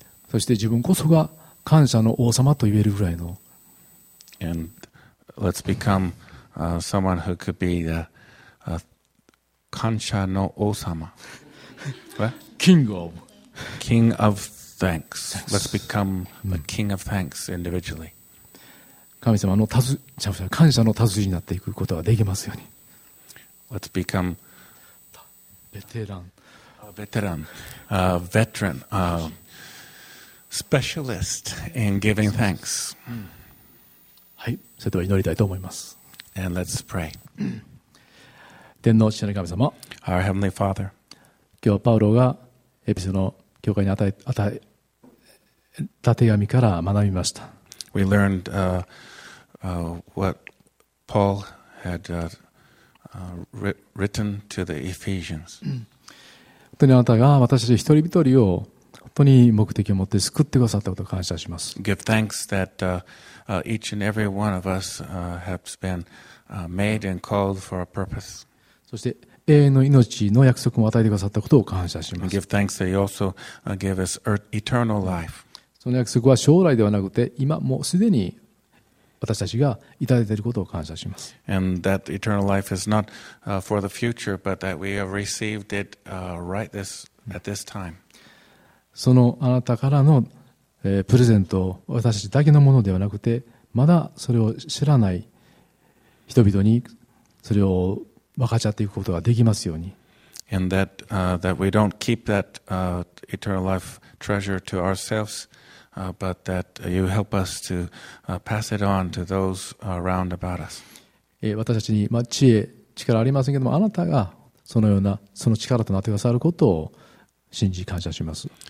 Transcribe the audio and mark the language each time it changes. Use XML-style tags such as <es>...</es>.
<ja>そして自分こそが感謝の王様と言えるぐらいの。</ja> <en>And let's become someone who could be the</en> <ja>感謝の王様。</ja> <en>What? King of. King of thanks. Let's become the king of thanks individually.</en> <ja>神様の感謝の達人になっていくことができますように。</ja> <en>Let's become</en> <ja>ベテラン。ベテラン。ベテラン。</ja> <en>Specialist in giving thanks.</en> <ja>はい、それでは祈りたいと思います。</ja> <en>And let's pray.</en> <ja>天の父なる神様、</ja> <en>Our Heavenly Father.</en> <ja>今日パウロがエピソの教会に与えた手紙から学びました。</ja> <en>We learned what Paul had written to the Ephesians.</en> <ja>本当にあなたが私たち一人一人を本当に目的を持って救ってくださったことを感謝します。</ja> <en>Give thanks that each and every one of us has been made and called for a purpose.</en> <ja>そして永遠の命の約束も与えてくださったことを感謝します。</ja> <en>Give thanks that you also gave us eternal life.</en> <ja>その約束は将来ではなくて今もうすでに私たちがいただいていることを感謝します。</ja> <en>And that eternal life is not for the future, but that we have received it right this at this time.</en> <ja>そのあなたからの、プレゼントを私たちだけのものではなくてまだそれを知らない人々にそれを分かち合っていくことができますように。</ja> <en>And that, that we don't keep that eternal life treasure to ourselves, but that you help us to pass it on to those around about us.</en> <ja>私たちに、まあ、知恵、力ありませんけどもあなたがそのようなその力となってくださることを信じ感謝します。</ja>